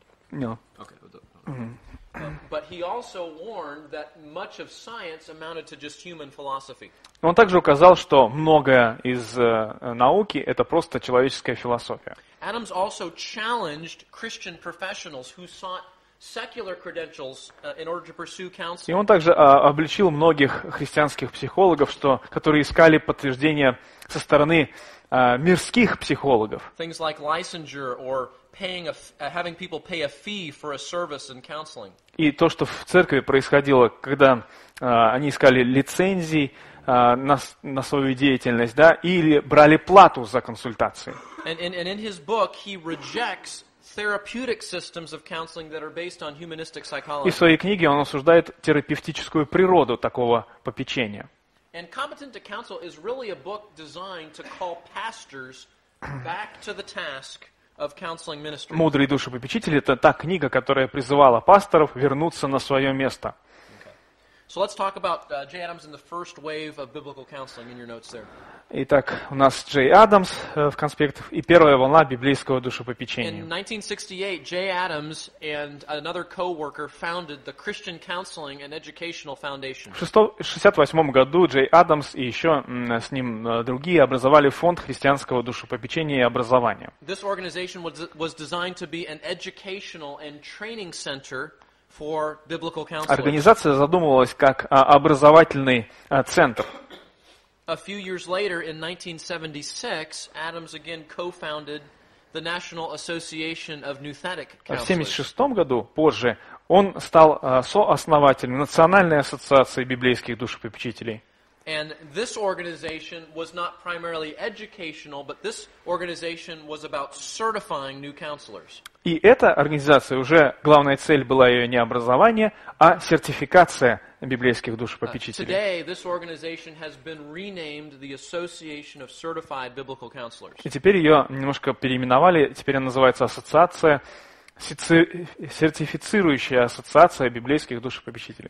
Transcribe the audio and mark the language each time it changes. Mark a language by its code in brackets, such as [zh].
[en] But he also warned that much of science amounted to just human philosophy. [ru] Он также указал, что многое из науки это просто человеческая философия. [en] Adams also challenged Christian professionals who sought secular credentials in order to pursue counseling. [ru] И он также обличил многих христианских психологов, что которые искали подтверждение со стороны мирских психологов. [en] Things like licensure or paying having people pay a fee for a service in counseling. [ru] И то, что в церкви происходило, когда они искали лицензии на свою деятельность, да, или брали плату за консультации. [en] And in his book he rejects therapeutic systems of counseling that are based on humanistic psychology. [ru] И в своей книге он осуждает терапевтическую природу такого попечения. [en] And Competent to Counsel is really a book designed to call pastors back to the task of counseling ministry. [ru] Мудрый душепопечитель — это та книга, которая призывала пасторов вернуться на свое место. [en] So let's talk about Jay Adams and the first wave of biblical counseling in your notes there. [ru] Итак, у нас Джей Адамс в конспектах и первая волна библейского душепопечения. [en] In 1968, Jay Adams and another co-worker founded the Christian Counseling and Educational Foundation. [ru] В 1968 году Джей Адамс и еще с ним другие образовали фонд христианского душепопечения и образования. [en] This organization was designed to be an educational and training center for biblical counseling. [ru] Организация задумывалась как образовательный центр. [en] A few years later, in 1976, Adams again co-founded the National Association of Nuthetic Counselors. [ru] В 76 году, позже, он стал сооснователем Национальной ассоциации библейских душепопечителей. [en] And this organization was not primarily educational, but this organization was about certifying new counselors. [ru] И эта организация, уже главная цель была ее не образование, а сертификация библейских душепопечителей. [en] Today this organization has been renamed the Association of Certified Biblical Counselors. [ru] И теперь ее немножко переименовали, теперь она называется Ассоциация, сертифицирующая ассоциация библейских душепопечителей.